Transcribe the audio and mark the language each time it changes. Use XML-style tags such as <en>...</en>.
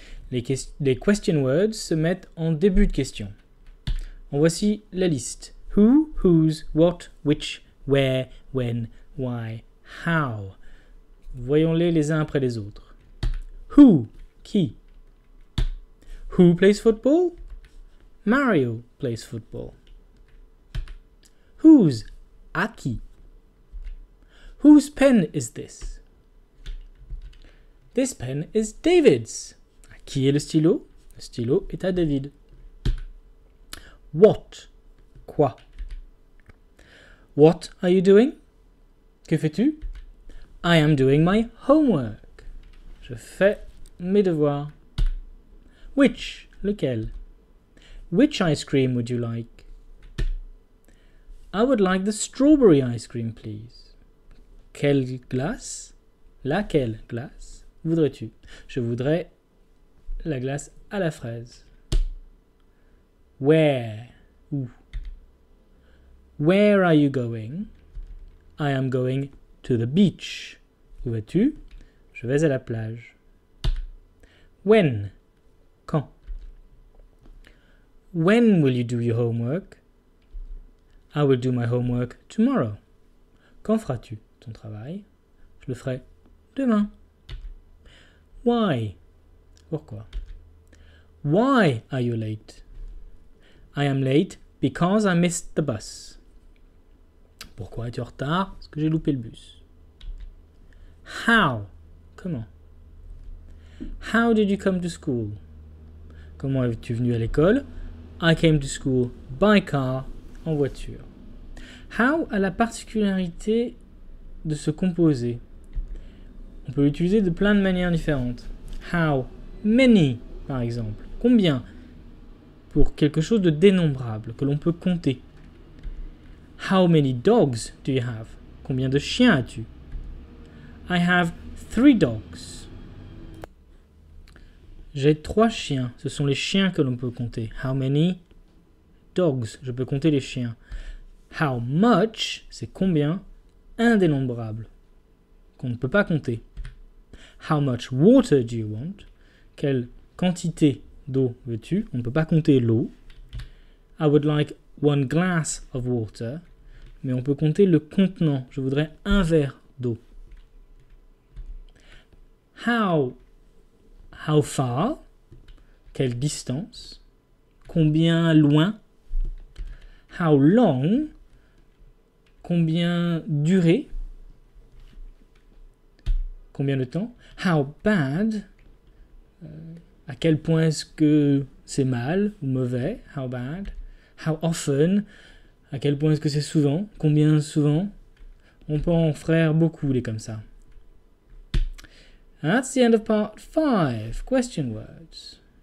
<fr>Les question words se mettent en début de question. En voici la liste.</fr> <en>Who, whose, what, which, where, when, why, how.</en> <fr>Voyons-les les uns après les autres.</fr> <en>Who, qui? Who plays football? Mario plays football. Who's Aki? Whose pen is this? This pen is David's.</en> <fr>Qui est le stylo? Le stylo est à David. What? Quoi?</fr> <en>What are you doing?</en> <fr>Que fais-tu?</fr> <en>I am doing my homework.</en> <fr>Je fais mes devoirs.</fr> <en>Which? Lequel? Which ice cream would you like? I would like the strawberry ice cream, please.</en> <fr>Quelle glace? Laquelle glace voudrais-tu? Je voudrais la glace à la fraise.</fr> <en>Where? Où? Where are you going? I am going to the beach.</en> <fr>Où vas-tu? Je vais à la plage. When? Quand?</fr> <en>When will you do your homework? I will do my homework tomorrow.</en> <fr>Quand feras-tu ton travail? Je le ferai demain. Why? Pourquoi?</fr> <en>Why are you late? I am late because I missed the bus.</en> <fr>Pourquoi es-tu en retard? Parce que j'ai loupé le bus.</fr> <en>How? Comment? How did you come to school?</en> <fr>Comment es-tu venu à l'école?</fr> <en>I came to school by car,</en> <fr>en voiture. How a la particularité de se composer. On peut l'utiliser de plein de manières différentes. How many, par exemple. Combien pour quelque chose de dénombrable, que l'on peut compter.</fr> <en>How many dogs do you have?</en> <fr>Combien de chiens as-tu?</fr> <en>I have 3 dogs.</en> <fr>J'ai 3 chiens. Ce sont les chiens que l'on peut compter.</fr> <en>How many dogs?</en> <fr>Je peux compter les chiens.</fr> <en>How much?</en> <fr>C'est combien? Indénombrable. Qu'on ne peut pas compter.</fr> <en>How much water do you want?</en> <fr>Quelle quantité d'eau veux-tu? On ne peut pas compter l'eau.</fr> <en>I would like one glass of water.</en> <fr>Mais on peut compter le contenant. Je voudrais un verre d'eau.</fr> <en>How far? Quelle distance?</en> <fr>Combien loin?</fr> <en>How long?</en> <fr>Combien durée? Combien de temps?</fr> <en>How bad?</en> <fr>À quel point est-ce que c'est mal ou mauvais?</fr> <en>How bad? How often?</en> <fr>À quel point est-ce que c'est souvent? Combien souvent? On peut en faire beaucoup, les comme ça.</fr> <en>That's the end of part 5, question words.</en>